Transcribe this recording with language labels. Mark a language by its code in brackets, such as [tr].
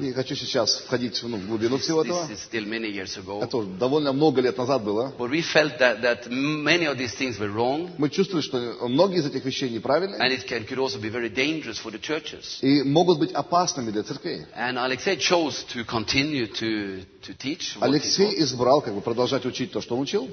[ru] Не хочу сейчас входить в глубину всего этого. [en] This is still many years ago. [ru] Это довольно много лет назад было. [en] But we felt that many of these things were wrong. [ru] Мы чувствовали, что многие из этих вещей неправильны. [en] And it could also be very dangerous for the churches. [ru] И могут быть опасными для церквей. [en] And Alexei chose to continue to teach. [ru] Алексей избрал как бы продолжать учить то, что он учил.